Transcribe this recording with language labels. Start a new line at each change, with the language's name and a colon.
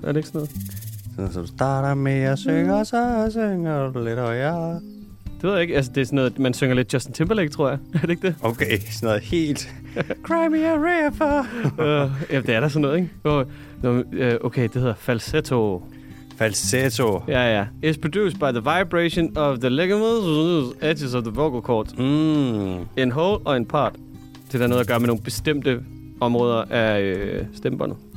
Danish: Er det ikke sådan noget? Sådan, så du starter med at synge, og så synger du lidt højere. Det ved jeg ikke. Altså, det er sådan noget, man synger lidt Justin Timberlake, tror jeg. Er det ikke det? Okay, sådan noget helt... Cry me a river! Ja, det er der sådan noget, ikke? Okay, det hedder falsetto. Falsetto. Ja, ja.
English: It's produced by the vibration of the ligaments, edges of the vocal cords. Mm. In whole or in part.
Danish: Det der noget at gøre med nogle bestemte områder af stemmebåndet.